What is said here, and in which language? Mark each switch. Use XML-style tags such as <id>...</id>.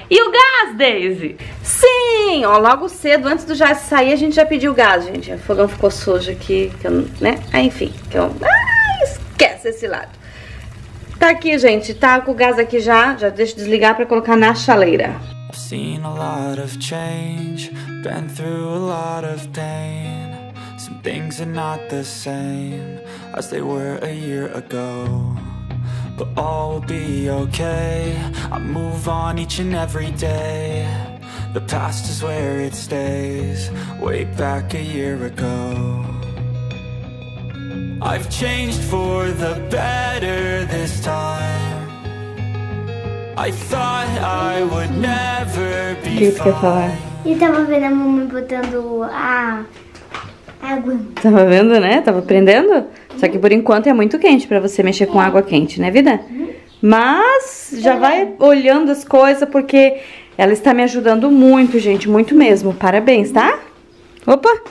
<pt>E o gás, Daisy? Sim, ó, logo cedo, antes do Jace sair, a gente já pediu gás, gente. O fogão ficou sujo aqui, que eu, né? Ah, enfim, que eu... Ah, esquece esse lado. Tá aqui, gente, tá com o gás aqui já. Já deixa eu desligar pra colocar na chaleira.</pt> <en>I've seen a lot of change, been through a lot of pain. Some things are not the same as they were a year ago. But all will be okay, I move on each and every day. The past is where it stays, way back a year ago. I've changed for the better this time. I thought I would never be fine.</en> <pt>E tava vendo a mamãe botando a água. Tava vendo, né? Tava prendendo? Só que por enquanto é muito quente pra você mexer com água quente, né, vida? Mas já vai olhando as coisas porque ela está me ajudando muito, gente. Muito mesmo. Parabéns, tá? Opa!</pt>